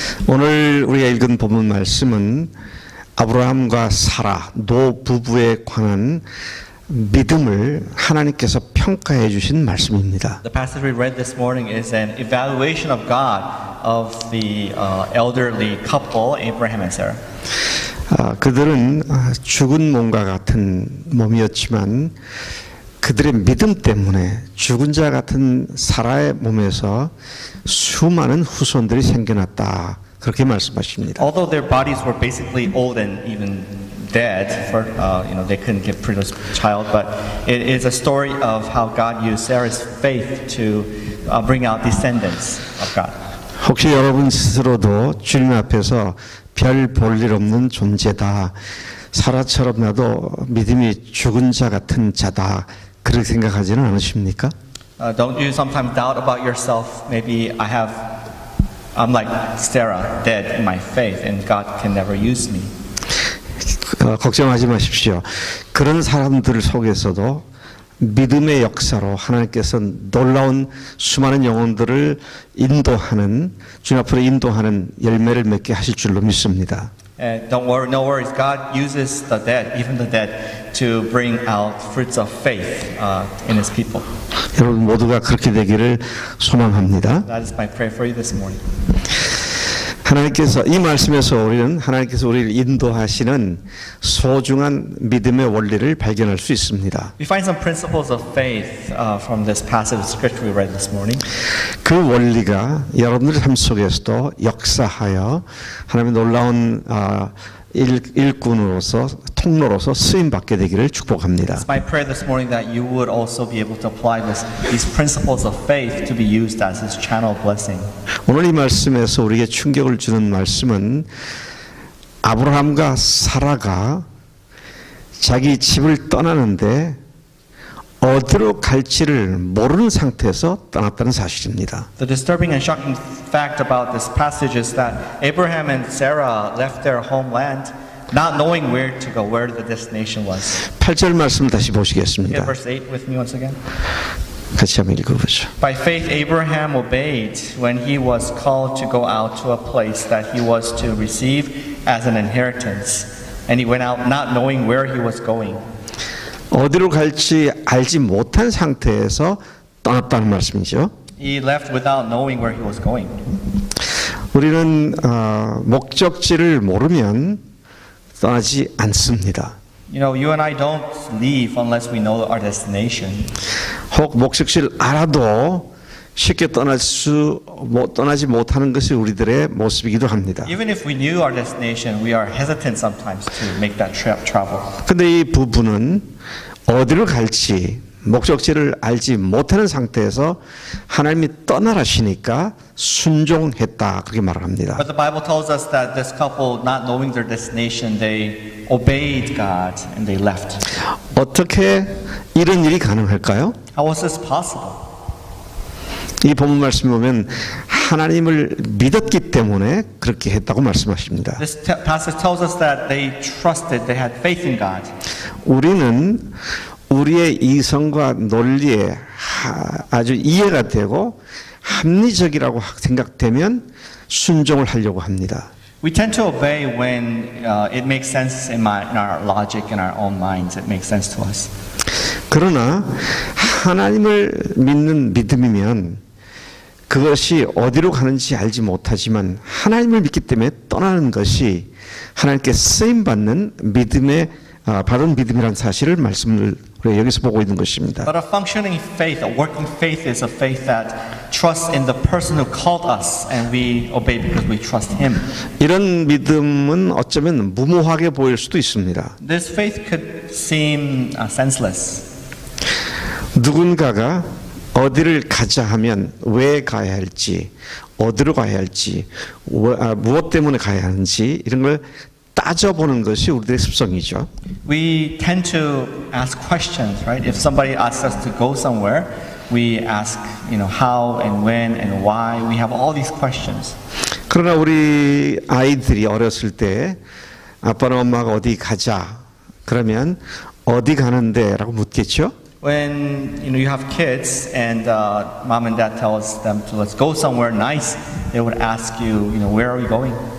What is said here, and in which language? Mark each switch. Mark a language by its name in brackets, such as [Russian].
[Korean] 오늘 우리가 읽은 본문 말씀은 아브라함과 사라, 노 부부에 관한 믿음을 하나님께서 평가해 주신 말씀입니다. [English] The passage we read this morning is an evaluation of God of the elderly couple Abraham and Sarah. [Korean] 그들은 죽은 몸과 같은 몸이었지만 그들의 믿음 때문에 죽은 자 같은 사라의 몸에서 수많은 후손들이 생겨났다. 그렇게 말씀하십니다. [English] Although their bodies were basically old and even dead, for, you know, they couldn't give previous child, but it is a story of how God used Sarah's faith to bring out descendants of God. [Korean] 혹시 여러분 스스로도 주님 앞에서 별 볼 일 없는 존재다, 사라처럼 나도 믿음이 죽은 자 같은 자다, 그렇게 생각하지는 않으십니까? [English] Don't you sometimes doubt about yourself? Maybe I'm like Sarah, dead in my faith, and God can never use me. [Korean] 걱정하지 마십시오. 그런 사람들 속에서도 믿음의 역사로 하나님께서는 놀라운 수많은 영혼들을 인도하는, 주님 앞으로 인도하는 열매를 맺게 하실 줄로 믿습니다. [English] Don't worry, no worries. God uses the dead, even the dead, to bring out fruits of faith in His people. [Korean] 여러분 모두가 그렇게 되기를 소망합니다. [English] That is my prayer for you this morning. [Korean] 하나님께서 이 말씀에서 우리는 하나님께서 우리를 인도하시는 소중한 믿음의 원리를 발견할 수 있습니다. [English] We find some principles of faith from this passage of scripture we read this morning. [Korean] 그 원리가 여러분들 삶 속에서도 역사하여 하나님의 놀라운 일꾼으로서 통로로서 쓰임 받게 되기를 축복합니다. [English] It's my prayer this morning that you would also be able to apply these principles of faith to be used as this channel blessing. [Korean] 오늘 이 말씀에서 우리에게 충격을 주는 말씀은 아브라함과 사라가 자기 집을 떠나는데 어디로 갈지를 모르는 상태에서 떠났다는 사실입니다. [English] The disturbing and shocking fact about this passage is that Abraham and Sarah left their homeland not knowing where to go, where the destination was. [Korean] 8절 말씀을 다시 보시겠습니다. [English] Okay, verse 8 with me once again. [Korean] 같이 한번 읽어보죠. [English] By faith Abraham obeyed when he was called to go out to a place that he was to receive as an inheritance, and he went out not knowing where he was going. [Korean] 어디로 갈지 알지 못한 상태에서 떠났다는 말씀이죠. [English] He left without knowing where he was going. [Korean] 우리는 목적지를 모르면 떠나지 않습니다. [English] You know, you and I don't leave unless we know our destination. [Korean] 혹 목적지를 알아도 쉽게 떠나지 못하는 것이 우리들의 모습이기도 합니다. [English] Even if we knew our destination, we are hesitant sometimes to make that travel. [Korean] 근데 이 부부는 어디로 갈지 목적지를 알지 못하는 상태에서 하나님이 떠나라시니까 순종했다, 그렇게 말합니다. [English] But the Bible tells us that this couple, not knowing their destination, they obeyed God and they left. [Korean] 어떻게 이런 일이 가능할까요? [English] How was this possible? [Korean] 이 본문 말씀 보면 하나님을 믿었기 때문에 그렇게 했다고 말씀하십니다. [English] This passage tells us that they trusted, they had faith in God. [Korean] 우리는 우리의 이성과 논리에 아주 이해가 되고 합리적이라고 생각되면 순종을 하려고 합니다. [English] We tend to obey when it makes sense in our logic, in our own minds, it makes sense to us. [Korean] 그러나 하나님을 믿는 믿음이면 그것이 어디로 가는지 알지 못하지만 하나님을 믿기 때문에 떠나는 것이 하나님께 쓰임 받는 믿음의 바른 믿음이란 사실을 말씀을 우리 여기서 보고 있는 것입니다. [English] But a functioning faith, a working faith is a faith that trusts in the person who called us and we obey because we trust him. [Korean] 이런 믿음은 어쩌면 무모하게 보일 수도 있습니다. [English] This faith could seem senseless. [Korean] 누군가가 어디를 가자 하면 왜 가야 할지, 어디로 가야 할지, 무엇 때문에 가야 하는지 이런 걸 따져보는 것이 우리들의 습성이죠. [English] We tend to ask questions, right? If somebody asks us to go somewhere, we ask, you know, how and when and why. We have all these questions. [Korean] 그러나 우리 아이들이 어렸을 때 아빠나 엄마가 어디 가자 그러면 어디 가는데라고 묻겠죠? [English] When you know you have kids and mom and dad tells them to let's go somewhere nice, they would ask you, you know, where are we going?